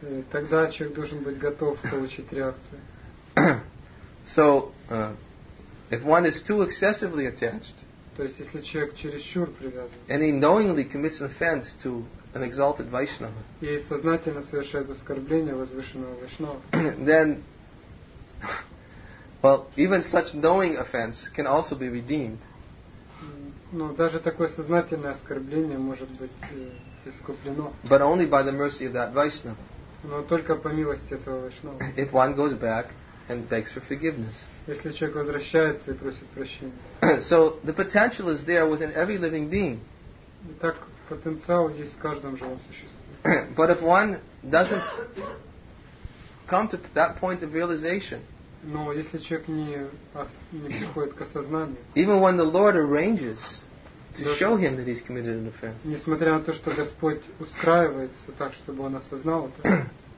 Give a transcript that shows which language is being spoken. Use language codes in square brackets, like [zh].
[ru] Тогда человек должен быть готов получить реакцию. [en] So, if one is too excessively attached, [ru] то есть если человек чересчур привязан, [en] and he knowingly commits an offense to an exalted Vaishnava, [ru] и сознательно совершает оскорбление возвышенного Вайшнава, [en] then, well, even such knowing offense can also be redeemed. [ru] Но даже такое сознательное оскорбление может быть искуплено. [en] But only by the mercy of that Vaishnava. [ru] Но только по милости этого Вайшнава. [en] If one goes back and begs for forgiveness. [ru] Если человек возвращается и просит прощения. [en] So the potential is there within every living being. [ru] Так потенциал есть в каждом живом существе. [en] But if one doesn't come to that point of realization. [ru] Но если человек не приходит к осознанию. [en] Even when the Lord arranges to show him that he's committed an offense. [ru] Несмотря на то, что Господь устраивается так, чтобы он осознал это.